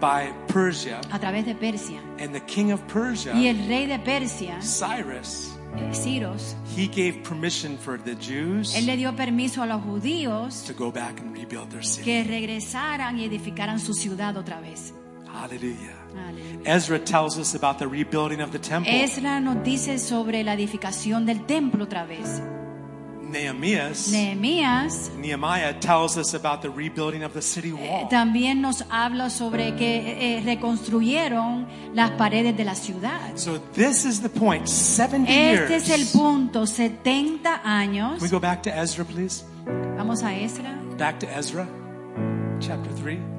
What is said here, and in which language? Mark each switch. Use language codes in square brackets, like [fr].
[en] by Persia, [es] a través de Persia. [en] And the king of Persia, [es] y el rey de Persia, [en] Cyrus, [es] Ciros, [en] he gave permission for the Jews, [es] él le dio permiso a los judíos, [en] to go back and rebuild their city, [es] que regresaran y edificaran su ciudad otra vez. [en] Hallelujah. Ezra tells us about the rebuilding of the temple. [es] Ezra nos dice sobre la edificación del templo otra vez. [en] Nehemiah tells us about the rebuilding of the city wall. [es] También nos habla sobre que reconstruyeron las paredes de la ciudad. [en] So this is the point, 70 [es] este [en] years. [es] Este es el punto, 70 años. [en] Can we go back to Ezra, please? [es] Vamos a Ezra. [en] Back to Ezra, chapter 3.